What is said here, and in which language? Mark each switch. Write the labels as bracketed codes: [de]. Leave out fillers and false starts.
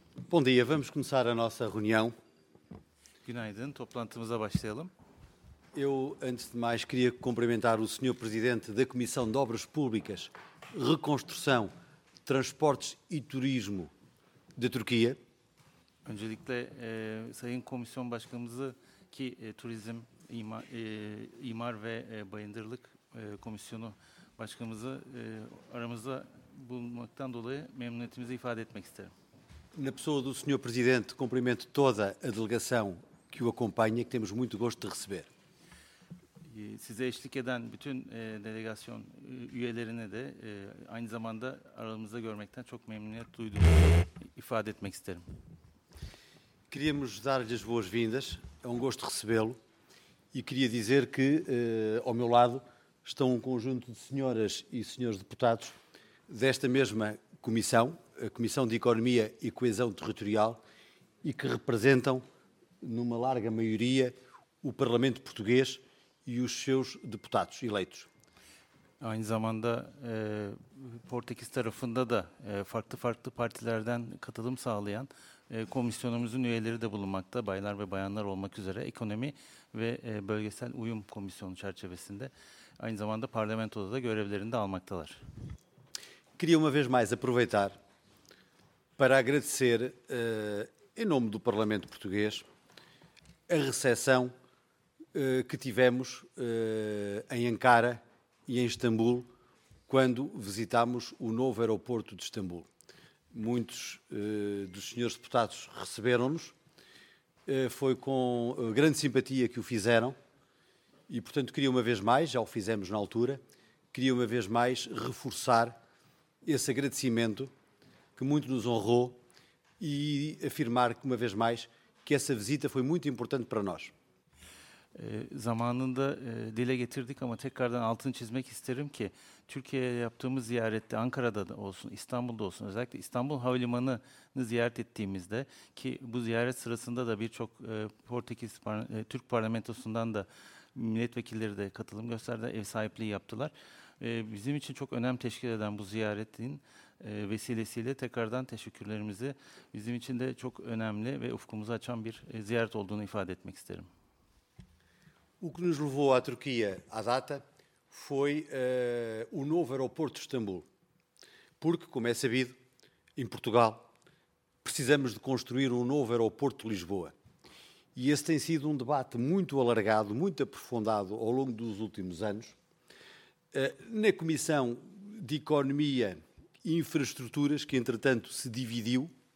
[pt] Bom dia, vamos começar a nossa reunião. [tr] Günaydın, toplantımıza başlayalım. [pt] Eu, antes de mais, queria cumprimentar o Sr. Presidente da Comissão de Obras Públicas, Reconstrução, Transportes e Turismo da Turquia. [tr] Öncelikle Sayın Komisyon Başkanımızı ki Turizm, İmar ve Bayındırlık Komisyonu Başkanımızı aramızda bulunmaktan dolayı memnuniyetimizi ifade etmek isterim. [pt] Na pessoa do Sr. Presidente, cumprimento toda a delegação que o acompanha, que temos muito gosto de receber. [tr] Size eşlik eden bütün delegasyon üyelerine de aynı zamanda aramızda görmekten çok memnuniyet duyduğumu ifade etmek isterim. [pt] Queríamos dar-lhe as boas-vindas, é gosto recebê-lo, e queria dizer que ao meu lado estão conjunto de senhoras e senhores deputados desta mesma comissão, a Comissão de Economia e Coesão Territorial, e que representam, numa larga maioria, o Parlamento Português e os seus deputados eleitos. [tr] Aynı zamanda Portekiz tarafında da farklı farklı partilerden katılım sağlayan komisyonumuzun üyeleri de bulunmakta, baylar ve bayanlar olmak üzere ekonomi ve bölgesel uyum komisyonu çerçevesinde aynı zamanda parlamentoda da görevlerini de almaktalar. [pt] Queria uma vez mais aproveitar para agradecer, em nome do Parlamento Português, a recepção que tivemos em Ankara e em Istambul, quando visitámos o novo aeroporto de Istambul. Muitos dos senhores deputados receberam-nos, foi com grande simpatia que o fizeram, e portanto queria uma vez mais, já o fizemos na altura, queria uma vez mais reforçar esse agradecimento que muito nos honrou e afirmar que, uma vez mais, que essa visita foi muito importante para nós. [tr] Zamanında dile getirdik ama tekrardan altını çizmek isterim ki Türkiye'ye yaptığımız ziyarette Ankara'da da olsun, İstanbul'da olsun, özellikle İstanbul Havalimanı'nı ziyaret ettiğimizde ki bu ziyaret sırasında da birçok Portekiz Türk Parlamentosu'ndan da milletvekilleri de katılım gösterdi, ev sahipliği yaptılar. Bizim için çok önem teşkil eden bu ziyaretin vesilesiyle tekrardan teşekkürlerimizi bizim için de çok önemli ve ufkumuzu açan bir ziyaret olduğunu ifade etmek isterim. [pt] O que nos levou à Turquia à data foi o novo aeroporto de Istambul, porque, como é sabido, em Portugal precisamos de construir um novo aeroporto de Lisboa. E esse tem sido um debate muito alargado, muito aprofundado ao longo dos últimos anos, na Comissão de Economia e Infraestruturas, que entretanto se dividiu